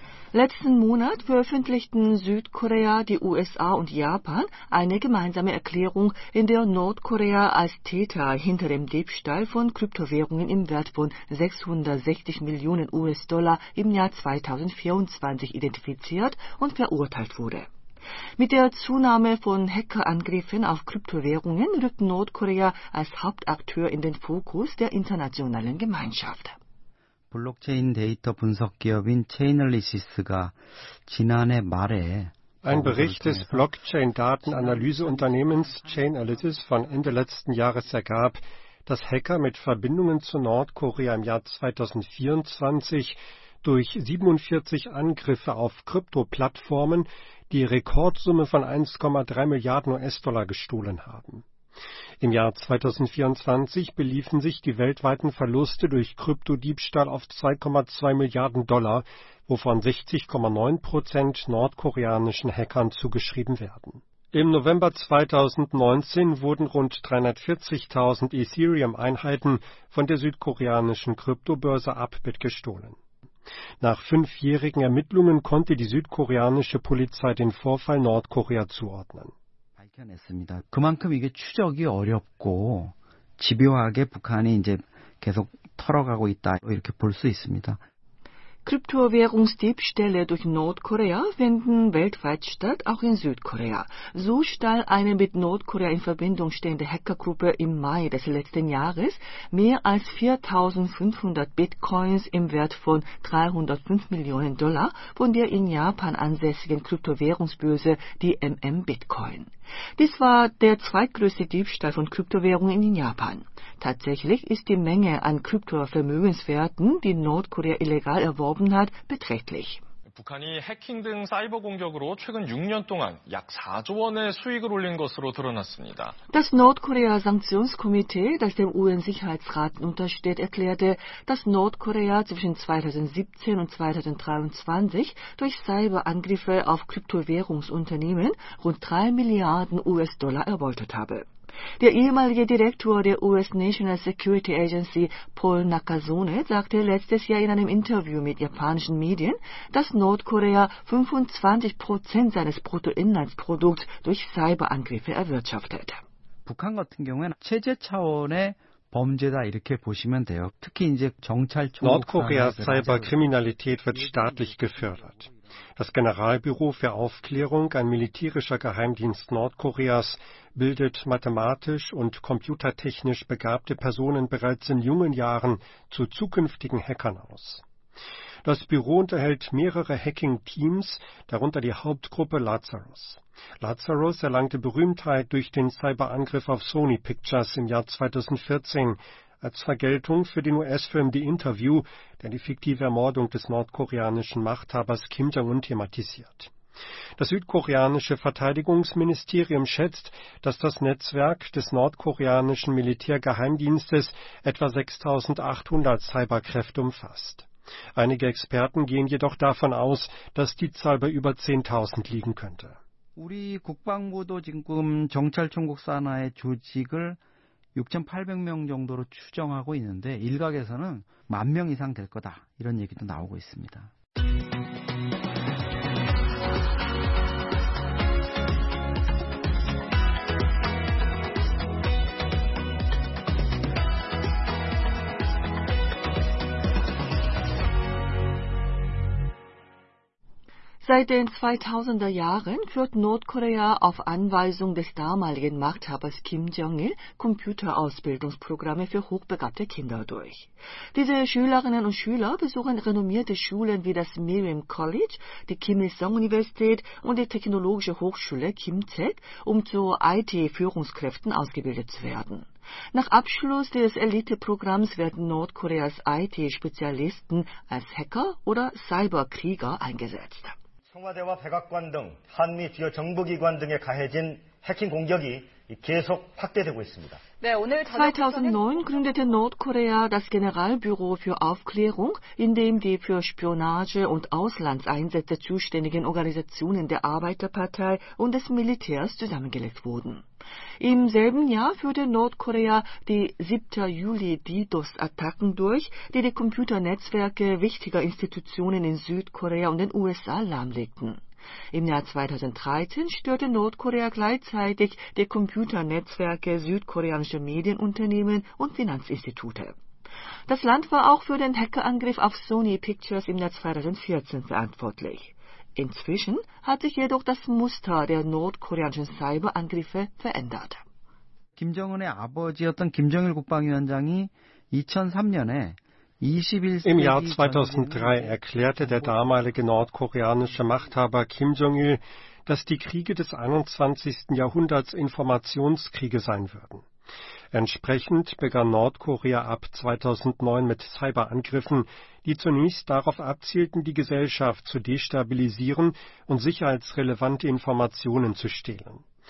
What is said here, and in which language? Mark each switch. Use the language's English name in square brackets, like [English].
[German] Letzten Monat veröffentlichten Südkorea, die USA und Japan eine gemeinsame Erklärung, in der Nordkorea als Täter hinter dem Diebstahl von Kryptowährungen im Wert von 660 Millionen US-Dollar im Jahr 2024 identifiziert und verurteilt wurde. Mit der Zunahme von Hackerangriffen auf Kryptowährungen rückt Nordkorea als Hauptakteur in den Fokus der internationalen Gemeinschaft. [Korean] 블록체인 데이터 분석 기업인 체인얼리시스가 지난해 말에 [German] Ein Bericht des Blockchain-Datenanalyseunternehmens Chainalysis von Ende letzten Jahres ergab, dass Hacker mit Verbindungen zu Nordkorea im Jahr 2024 durch 47 Angriffe auf Krypto-Plattformen die Rekordsumme von 1,3 Milliarden US-Dollar gestohlen haben. Im Jahr 2024 beliefen sich die weltweiten Verluste durch Kryptodiebstahl auf 2,2 Milliarden Dollar, wovon 60,9% nordkoreanischen Hackern zugeschrieben werden. Im November 2019 wurden rund 340.000 Ethereum-Einheiten von der südkoreanischen Kryptobörse Upbit gestohlen. Nach fünfjährigen Ermittlungen konnte die südkoreanische Polizei den Vorfall Nordkorea zuordnen. [Korean] 했습니다. 그만큼 이게 추적이 어렵고 집요하게 북한이 이제 계속 털어가고 있다 이렇게 볼 수 있습니다. [German] Kryptowährungsdiebstähle durch Nordkorea finden weltweit statt, auch in Südkorea. So stahl eine mit Nordkorea in Verbindung stehende Hackergruppe im Mai des letzten Jahres mehr als 4.500 Bitcoins im Wert von 305 Millionen Dollar von der in Japan ansässigen Kryptowährungsbörse DMM Bitcoin. Dies war der zweitgrößte Diebstahl von Kryptowährungen in Japan. Tatsächlich ist die Menge an Kryptovermögenswerten, die Nordkorea illegal erworben hat, beträchtlich. [Korean] 북한이 해킹 등 사이버 공격으로 최근 6년 동안 약 4조 원의 수익을 올린 것으로 드러났습니다. [German] Das Nordkorea-Sanktionskomitee, das dem UN-Sicherheitsrat untersteht, erklärte, dass Nordkorea zwischen 2017 und 2023 durch Cyberangriffe auf Kryptowährungsunternehmen rund 3 Milliarden US-Dollar erbeutet habe. Der ehemalige Direktor der US National Security Agency, Paul Nakasone, sagte letztes Jahr in einem Interview mit japanischen Medien, dass Nordkorea 25% seines Bruttoinlandsprodukts durch Cyberangriffe erwirtschaftet. [Korean] 북한 같은 경우는 체제 차원의 범죄다 이렇게 보시면 돼요. 특히 이제 정찰 쪽 [German] Nordkorea's Cyberkriminalität wird staatlich gefördert. Das Generalbüro für Aufklärung, ein militärischer Geheimdienst Nordkoreas, bildet mathematisch und computertechnisch begabte Personen bereits in jungen Jahren zu zukünftigen Hackern aus. Das Büro unterhält mehrere Hacking-Teams, darunter die Hauptgruppe Lazarus. Lazarus erlangte Berühmtheit durch den Cyberangriff auf Sony Pictures im Jahr 2014, als Vergeltung für den US-Film The Interview, der die fiktive Ermordung des nordkoreanischen Machthabers Kim Jong-un thematisiert. Das südkoreanische Verteidigungsministerium schätzt, dass das Netzwerk des nordkoreanischen Militärgeheimdienstes etwa 6.800 Cyberkräfte umfasst. Einige Experten gehen jedoch davon aus, dass die Zahl bei über 10.000 liegen könnte. [Korean] 우리 국방부도 지금 정찰총국 산하의 조직을 6,800명 정도로 추정하고 있는데 일각에서는 만 명 이상 될 거다 이런 얘기도 나오고 있습니다. [German] Seit den 2000er Jahren führt Nordkorea auf Anweisung des damaligen Machthabers Kim Jong-il Computerausbildungsprogramme für hochbegabte Kinder durch. Diese Schülerinnen und Schüler besuchen renommierte Schulen wie das Miriam College, die Kim Il-sung-Universität und die Technologische Hochschule Kimtech, um zu IT-Führungskräften ausgebildet zu werden. Nach Abschluss des Elite-Programms werden Nordkoreas IT-Spezialisten als Hacker oder Cyberkrieger eingesetzt. [Korean] 청와대와 백악관 등 한미 주요 정부기관 등에 가해진 해킹 공격이 계속 확대되고 있습니다. 네, 오늘 [German] 2009 gründete Nordkorea das Generalbüro für Aufklärung, in dem die für Spionage und Auslandseinsätze zuständigen Organisationen der Arbeiterpartei und des Militärs zusammengelegt wurden. Im selben Jahr führte Nordkorea die 7. Juli DDoS-Attacken durch, die die Computernetzwerke wichtiger Institutionen in Südkorea und den USA lahmlegten. Im Jahr 2013 störte Nordkorea gleichzeitig die Computernetzwerke südkoreanischer Medienunternehmen und Finanzinstitute. Das Land war auch für den Hackerangriff auf Sony Pictures im Jahr 2014 verantwortlich. Inzwischen hat sich jedoch das Muster der nordkoreanischen Cyberangriffe verändert. [Korean] Kim Jong-un의 아버지였던 김정일 국방위원장이 2003년에 [German] Im Jahr 2003 erklärte der damalige nordkoreanische Machthaber Kim Jong-il, dass die Kriege des 21. Jahrhunderts Informationskriege sein würden. Entsprechend begann Nordkorea ab 2009 mit Cyberangriffen, die zunächst darauf abzielten, die Gesellschaft zu destabilisieren und sicherheitsrelevante Informationen zu stehlen.